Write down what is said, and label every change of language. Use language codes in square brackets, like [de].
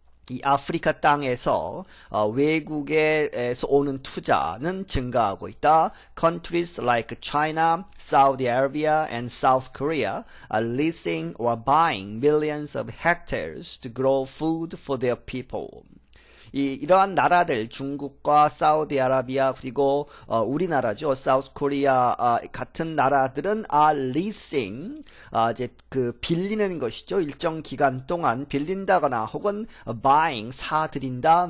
[ko] 이 아프리카 땅에서 외국에서 오는 투자는 증가하고 있다. [en] Countries like China, Saudi Arabia, and South Korea are leasing or buying millions of hectares to grow food for their people. [ko] 이러한 나라들, 중국과 사우디아라비아, 그리고 우리나라죠. 사우스 코리아 같은 나라들은 [en] are leasing, [ko] 이제 그 빌리는 것이죠. 일정 기간 동안 빌린다거나 혹은 buying, 사들인다.